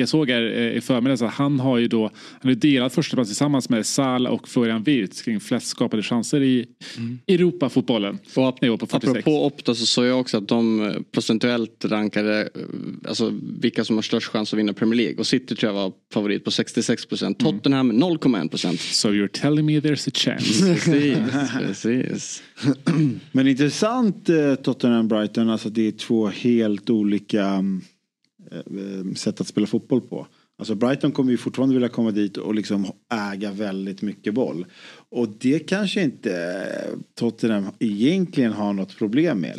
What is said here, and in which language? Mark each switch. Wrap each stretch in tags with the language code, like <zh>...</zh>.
<sv>Jag såg här i förmiddags att han har ju då, han har delat första plats tillsammans med Salah och Florian Wirtz kring flest skapade chanser i Europa-fotbollen. Och apropå Opta så såg jag också att de procentuellt rankade, alltså vilka som har störst chans att vinna Premier League. Och City tror jag var favorit på 66%. Tottenham 0,1%.</sv> <en>So you're telling me there's a chance.</en> <sv>Precis. Men intressant, Tottenham Brighton, alltså det är två helt olika sätt att spela fotboll på. Alltså Brighton kommer ju fortfarande vilja komma dit och liksom äga väldigt mycket boll. Och det kanske inte Tottenham egentligen har något problem med.</sv>